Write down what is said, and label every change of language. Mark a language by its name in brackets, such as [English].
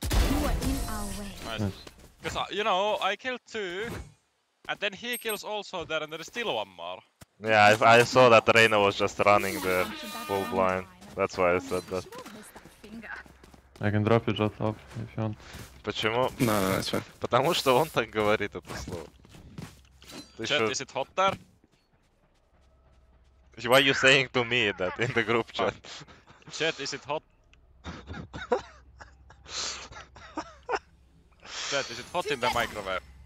[English] You are in our way. Nice. Because, you know, I killed two, and then he kills also there, and there is still one more. Yeah, I saw that Reyna was just running the full blind. That's why I said that. I can drop you just up if you want. [Russian] Почему? [English] No, no, that's fine. [Russian] Потому что он так говорит это слово. Ты чё? [English] Is it hot there? Why are you saying to me that in the group chat? Chat, is it hot? Chat, is it hot in the microwave?